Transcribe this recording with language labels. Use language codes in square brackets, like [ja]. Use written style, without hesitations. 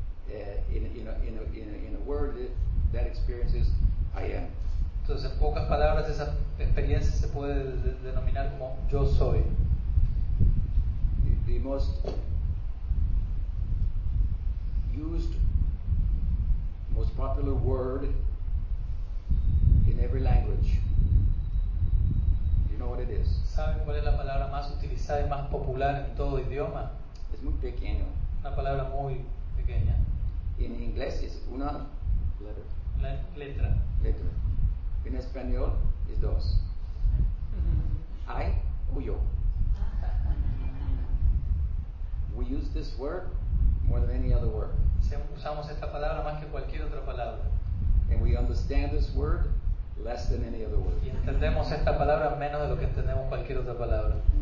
[en] In a word, that experience is I am. [es] Entonces, en pocas palabras, esa experiencia se puede denominar como yo soy. [en] The most used, most popular word in every language. You know what it is? [es] ¿Saben cuál es la palabra más utilizada y más popular en todo idioma? Es muy pequeño. Una palabra muy pequeña. En inglés es una letter. Letra. Letra. En español es dos. I o yo. [en] We use this word more than any other word. [es] Usamos esta palabra más que cualquier otra palabra. [en] And we understand this word less than any other word. [es] Y entendemos esta palabra menos de lo que entendemos cualquier otra palabra.